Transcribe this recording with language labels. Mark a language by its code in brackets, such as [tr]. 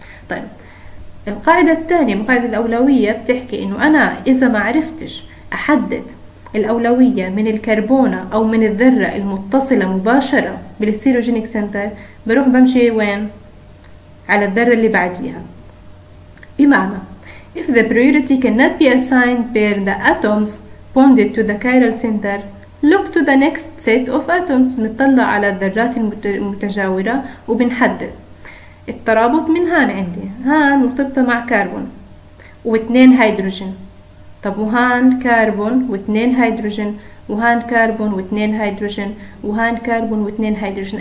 [ar] طيب القاعدة الثانية، قاعدة الأولوية، بتحكي إنه أنا إذا ما عرفتش أحدد الأولوية من الكربونة أو من الذرة المتصلة مباشرة بالستيروجينيك سنتر، بروح بمشي وين؟ على الذرة اللي بعديها. بمعنى [en] if the priority cannot be assigned per the atoms bonded to the chiral center, look to the next set of atoms. [ar] نطلع على الذرات المتجاورة وبنحدد الترابط من هان. عندي هان مرتبطة مع كربون واثنين هيدروجين، طب وهان كربون واثنين هيدروجين وهان كربون واثنين هيدروجين وهان كربون واثنين هيدروجين.